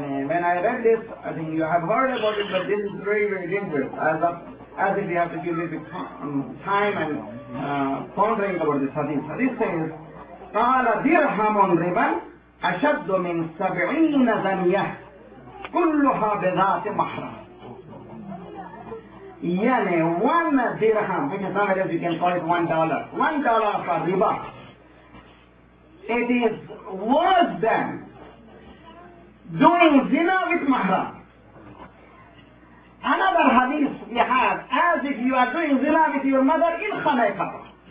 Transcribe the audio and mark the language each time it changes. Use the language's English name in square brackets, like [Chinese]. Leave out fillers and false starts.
[English] When I read this, I think you have heard about it, but this is very, very dangerous. As if we have to give little time and pondering about this hadith. Hadith says, [Arabic] قَالَ دِرْحَمٌ رِبًا أَشَدُّ مِنْ سَبْعِينَ ذَنْيَةٍ كُلُّهَا بِذَاتِ مَحْرَمٍ. [English] Yani, one dirham, because nowadays you can call it $1. $1 for riba. It is worse than doing zina with mahram. Another hadith we have, as if you are doing zina with your mother in Khanaika.